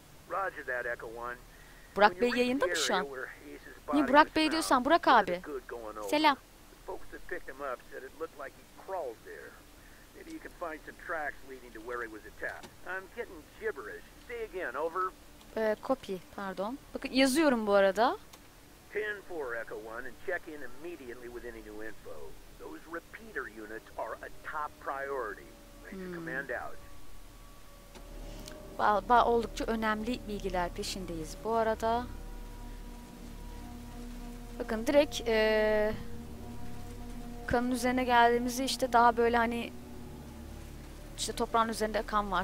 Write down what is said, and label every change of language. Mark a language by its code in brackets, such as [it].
[en] Roger that, Echo One. [tr] Burak Bey yayında mı şu an? Niye Burak Bey diyorsan Burak abi. Selam. [en] Picked him up, said it looked like he crawled there. Maybe you can find some tracks leading to where he was attacked. I'm getting gibberish. Say again, over. Copy, pardon. [tr] Bakın yazıyorum bu arada. [en] 10-4 Echo 1 and check in immediately with any new info. Those repeater units are a top priority. Major command out. [tr] Oldukça önemli bilgiler peşindeyiz bu arada. Bakın direkt kanın üzerine geldiğimizde işte daha böyle hani işte toprağın üzerinde kan var.